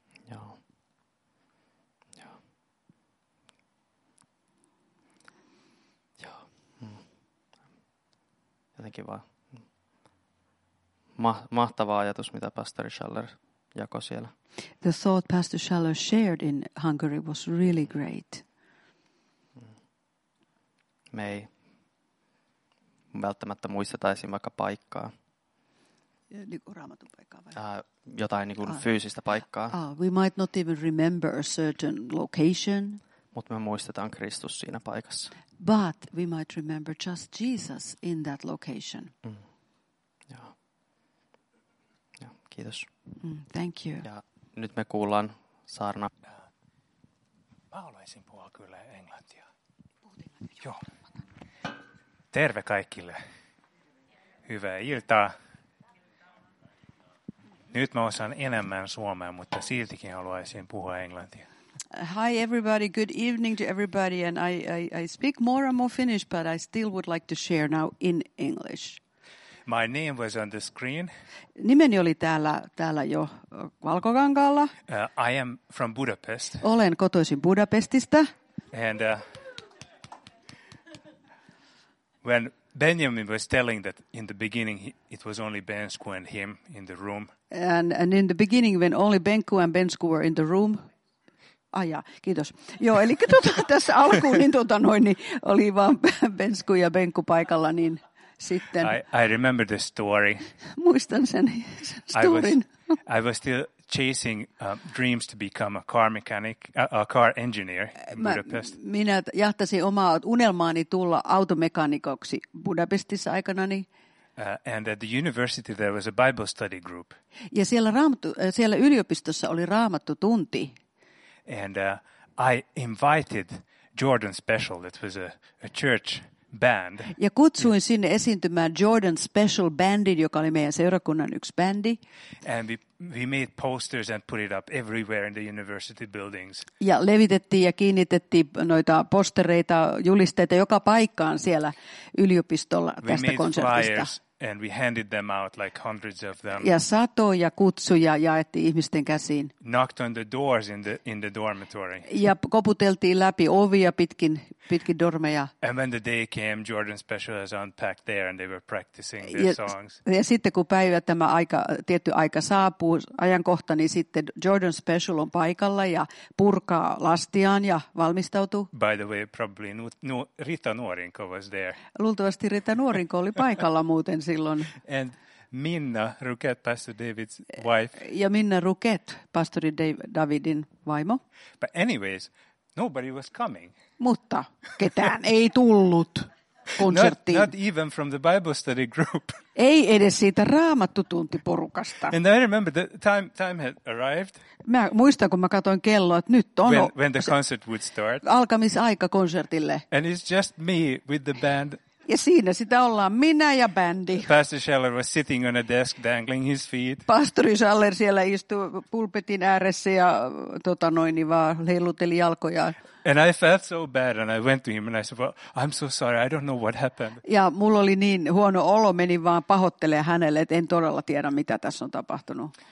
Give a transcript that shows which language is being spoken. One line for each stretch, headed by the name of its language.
Finnish: Joo. Joo. Joo. Jotenkin vaan. Mahtava ajatus, mitä pastori Schaller jakoi siellä.
English: The thought Pastor Schaller shared in Hungary was really great.
Finnish: Me ei välttämättä muistetaisiin vaikka paikkaa. Niin kuin Raamatun paikkaa vai? Jotain niin kuin fyysistä paikkaa.
English: We might not even remember a certain location.
Finnish: Mutta me muistetaan Kristus siinä paikassa.
English: But we might remember just Jesus in that location.
Finnish: Kiitos.
English: Thank you.
Finnish: Ja nyt me kuullaan saarna. Mä haluaisin puhua kyllä englantia. Joo. Terve kaikille. Hyvää iltaa. Nyt mä osaan enemmän suomea, mutta siltikin haluaisin puhua englantia.
English: Hi everybody, good evening to everybody. And I speak more and more Finnish, but I still would like to share now in English. My name was on the screen.
Finnish: Nimeni oli täällä jo valkokankaalla.
English: I am from Budapest.
Finnish: Olen kotoisin Budapestista.
English: And when Benjamin was telling that in the beginning it was only Bensku and him in the room. And in the beginning when only Benku and Bensku were in the room.
Finnish: Ah jaa, kiitos. Joo, eli tässä alkuun niin niin oli vaan Bensku ja Benku paikalla, niin sitten.
English: I remember the story.
Finnish: Muistan sen storyn.
English: I was still chasing dreams to become a car mechanic, a car engineer in Budapest.
Finnish: Minä jahtasin omaa unelmaani tulla automekanikoksi Budapestissa aikanani.
English: And at the university there was a Bible study group.
Finnish: Ja siellä yliopistossa oli raamattu tunti.
English: And I invited Jordan Special. It was a church band.
Finnish: Ja kutsuin sinne esiintymään Jordan Special Bandin, joka oli meidän seurakunnan yksi bändi.
English: And we made posters and put it up everywhere in the university buildings.
Finnish: Ja levitettiin ja kiinnitettiin noita postereita, julisteita joka paikkaan siellä yliopistolla tästä konsertista.
English: And we handed them out like hundreds of them.
Finnish: Ja satoja kutsuja jaettiin ihmisten käsiin.
English: Knocked on the doors in the dormitory.
Finnish: Ja koputeltiin läpi ovia pitkin dormeja.
English: And when the day came, Jordan Special has unpacked there and they were practicing their songs.
Finnish: Ja sitten kun päivä tämä aika tietty aika saapuu ajankohta, niin sitten Jordan Special on paikalla ja purkaa lastiaan ja valmistautuu.
English: By the way, probably Rita Nuorinko was there.
Finnish: Luultavasti Rita Nuorinko oli paikalla muuten. Silloin.
English: And Minna Ruket, Pastor David's wife.
Finnish: Ja Minna Ruket, Pastori Davidin vaimo.
English: But anyways, nobody was coming.
Finnish: Mutta ketään ei tullut konserttiin.
English: Not even from the Bible study group.
Finnish: Ei edes siitä raamattutuntiporukasta.
English: And I remember the time had arrived.
Finnish: Mä muistan, kun mä katsoin kelloa, että nyt on
English: when the concert would start.
Finnish: Alkamisaika konsertille.
English: And it's just me with the band.
Finnish: Ja siinä sitä ollaan minä ja bändi.
English: Pastor Schaller was sitting on a desk dangling his feet.
Finnish: Pastori Schaller siellä istui pulpetin ääressä ja vaan heilutteli jalkojaan.
English: And I felt so bad and I went to him and I said, "Well, I'm so sorry. I don't know what happened."
Finnish: Ja mulla oli niin huono olo, menin vaan pahoittelemaan hänelle, että en todella tiedä mitä tässä on tapahtunut.